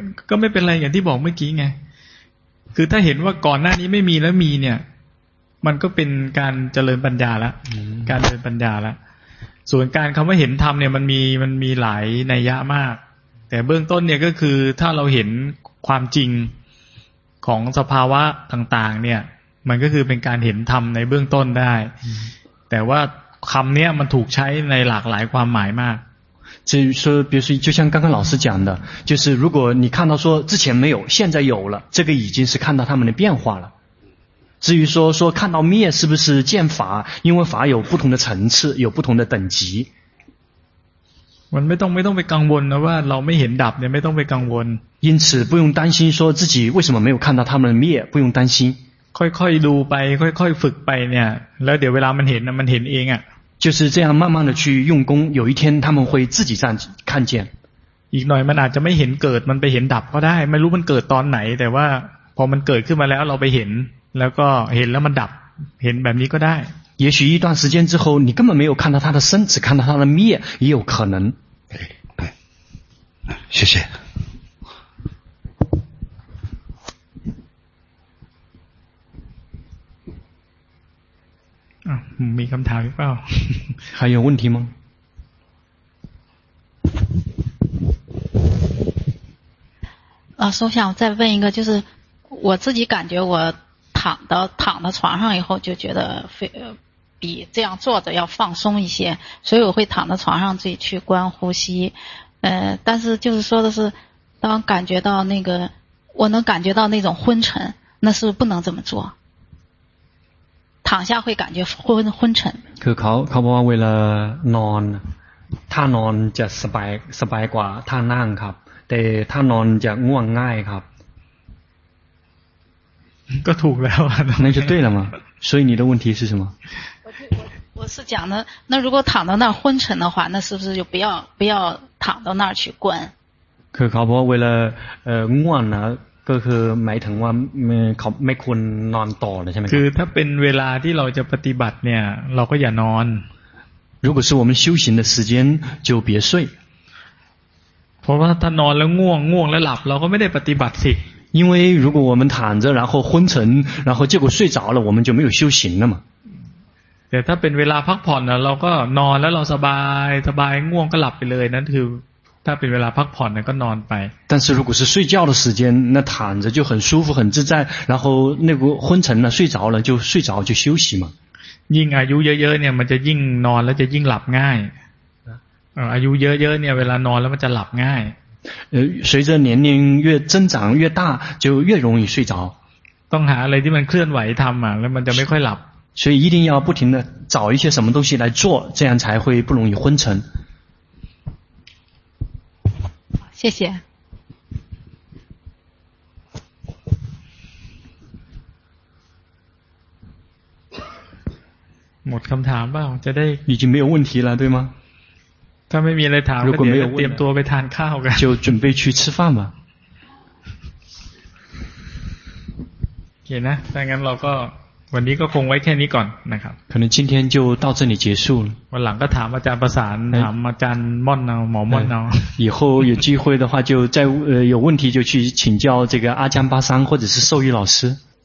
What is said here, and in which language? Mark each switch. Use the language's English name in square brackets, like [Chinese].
[Thai] ก็ไม่เป็นไรอย่างที่บอกเมื่อกี้ไงคือถ้าเห็นว่าก่อนหน้านี้ไม่มีแล้วมีเนี่ยมันก็เป็นการเจริญปัญญาละการเจริญปัญญาละส่วนการคำว่าเห็นธรรมเนี่ยมันมีหลายนัยยะมากแต่เบื้องต้นเนี่ยก็คือถ้าเราเห็นความจริงของสภาวะต่างๆเนี่ยมันก็คือเป็นการเห็นธรรมในเบื้องต้นได้แต่ว่าคำเนี้ยมันถูกใช้ในหลากหลายความหมายมาก [Chinese] ที่说比如说就像刚刚老师讲的就是如果你看到说之前没有现在有了这个已经是看到他们的变化了至于说看到灭是不是见法因为法有不同的层次有不同的等级 [Thai] มันไม่ต้องไปกังวลนะว่าเราไม่เห็นดับเนี่ยไม่ต้องไปกังวล [Chinese] 因此不用担心说自己为什么没有看到他们的灭不用担心 [Thai] ค่อยๆดูไปค่อยๆฝึกไปเนี่ยแล้วเดี๋ยวเวลามันเห็นมันเห็นเองอ่ะ [Chinese] 就是这样慢慢的去用功有一天他们会自己这样看见 [Thai] อีกหน่อยมันอาจจะไม่เห็นเกิดมันไปเห็นดับก็ได้ไม่รู้มันเกิดตอนไหนแต่ว่าพอมันเกิดขึ้นมาแล้วเราไปเห็นแล้วก็เห็นแล้วมันดับเห็นแบบนี้ก็ได้ [Chinese] 也许一段时间之后你根本没有看到他的身只看到他的灭也有可能谢谢 [Thai] มีคำถามหรือเปล่า [Chinese] 还有问题吗老师我想再问一个就是我自己感觉我躺到床上以后就觉得比这样坐着要放松一些所以我会躺到床上自己去观呼吸但是就是说的是当感觉到那个我能感觉到那种昏沉那是不是不能这么做躺下会感觉昏沉 [Thai] คือเขาบอกว่าเวลานอนถ้านอนจะสบายกว่าถ้านั่งครับแต่ถ้านอนจะง่วงง่ายครับ ก็ถูกแล้ว [Chinese] 那就对了嘛所以你的问题是什么我是讲的那如果躺到那儿昏沉的话那是不是就不要躺到那儿去观 [Thai] คือเขาบอกว่าเวลาง่วงนะก็คือหมายถึงว่าเขาไม่ควรนอนต่อใช่ไหม คือถ้าเป็นเวลาที่เราจะปฏิบัติเนี่ยเราก็อย่านอน [Chinese] 如果是我们修行的时间就别睡 [Thai] เพราะว่าถ้านอนแล้วง่วงแล้วหลับเราก็ไม่ได้ปฏิบัติสิ [Chinese] 因为如果我们躺着然后昏沉然后结果睡着了我们就没有修行了嘛 [Thai] แต่ถ้าเป็นเวลาพักผ่อนนะเราก็นอนแล้วเราสบายง่วงก็หลับไปเลยนั่นคือถ้าเป็นเวลาพักผ่อนก็นอนไป [Chinese] 但是如果是睡觉的时间那躺着就很舒服很自在然后那个昏沉了睡着了就睡着就休息嘛 [Thai] ยิ่งอายุเยอะๆเนี่ยมันจะยิ่งนอนแล้วจะยิ่งหลับง่ายอายุเยอะๆเนี่ยเวลานอนแล้วมันจะหลับง่าย [Chinese] 随着年龄越增长越大就越容易睡着 [Thai] ต้องหาอะไรที่มันเคลื่อนไหวทำอ่ะแล้วมันจะไม่ค่อยหลับ [Chinese] 所以一定要不停的找一些什么东西来做这样才会不容易昏沉谢谢 [Thai] หมดคำถามเปล่าจะได้ [Chinese] 已经没有问题了对吗 [Thai] ถ้าไม่มีอะไรถาม ก็ เดี๋ยวเตรียมตัวไปทานข้าวกัน [Chinese] 就准备去吃饭嘛 [Thai] เห็นนะถ้างั้นเราก็วันนี้ก็คงไว้แค่นี้ก่อนนะครับ [Chinese] 可能今天就到这里结束了 [Thai] วันหลังก็ถามอาจารย์ประสานถามอาจารย์ม่อนเอาหมอม่อนเอา [Chinese] 以后有机会的话就再有问题就去请教这个阿江巴桑或者是寿玉老师